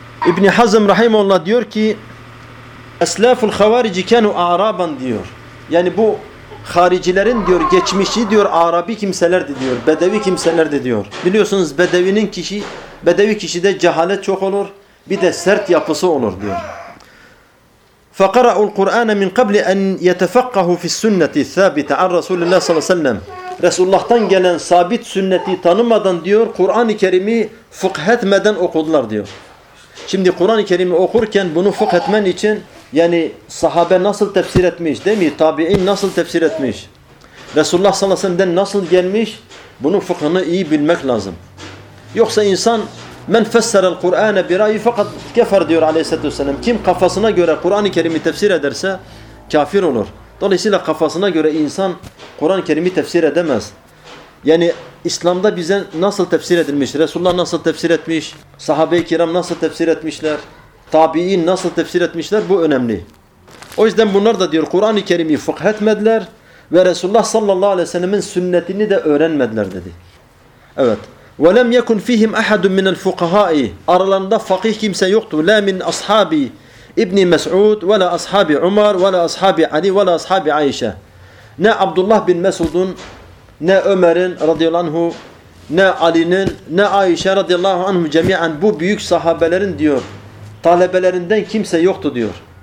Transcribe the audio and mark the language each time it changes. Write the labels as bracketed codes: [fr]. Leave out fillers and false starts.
[tr] İbn Hazm rahimehullah diyor ki Eslaful Havarici kanu Araban diyor. Yani bu haricilerin diyor geçmişi diyor Arabi kimselerdi diyor. Bedevi kimselerdi diyor. Biliyorsunuz bedevi kişide cehalet çok olur. Bir de sert yapısı olur diyor. [ar] فَقَرَعُوا الْقُرْآنَ مِنْ قَبْلِ اَنْ يَتَفَقَّهُ فِي السُنَّةِ الثَّابِتَ عَنْ رَسُولِ اللّٰهِ صَلَّى اللّٰهِ سَلَّمْ [tr] Resulullah'tan gelen sabit sünneti tanımadan diyor, Kur'an-ı Kerim'i fıkh etmeden okudular diyor. Şimdi Kur'an-ı Kerim'i okurken bunu fıkh etmen için yani sahabe nasıl tefsir etmiş değil mi? Tabi'in nasıl tefsir etmiş? Resulullah sallallahu aleyhi ve sellem'den nasıl gelmiş? Bunun fıkhını iyi bilmek lazım. Yoksa insan men fessere el-Kur'ane bi ra'yi fakat kefer diyor aleyhissalatü vesselam. Kim kafasına göre Kur'an-ı Kerim'i tefsir ederse kafir olur. Dolayısıyla kafasına göre insan Kur'an-ı Kerim'i tefsir edemez. Yani İslam'da bize nasıl tefsir edilmiş? Resulullah nasıl tefsir etmiş? Sahabe-i kiram nasıl tefsir etmişler? Tabi'in nasıl tefsir etmişler? Bu önemli. O yüzden bunlar da diyor Kur'an-ı Kerim'i fıkh etmediler ve Resulullah sallallahu aleyhi ve sellem'in sünnetini de öğrenmediler dedi. Evet. [ar] وَلَمْ يَكُنْ فِيهِمْ أَحَدٌ مِنَ الْفُقَهَاءِ [tr] Aralarında fakih kimse yoktu. [ar] لَا مِنْ أَصْحَابِ [tr] İbni Mes'ud [ar] وَلَا أَصْحَابِ عُمَرْ وَلَا أَصْحَابِ عَلِي وَلَا أَصْحَابِ عَيْشَ [tr] Ne Abdullah bin Mes'ud'un, ne Ömer'in radıyallahu anh'u, ne Ali'nin, ne Ayşe radıyallahu anh'u cemiyen bu büyük sahabelerin diyor, talebelerinden kimse yoktu diyor.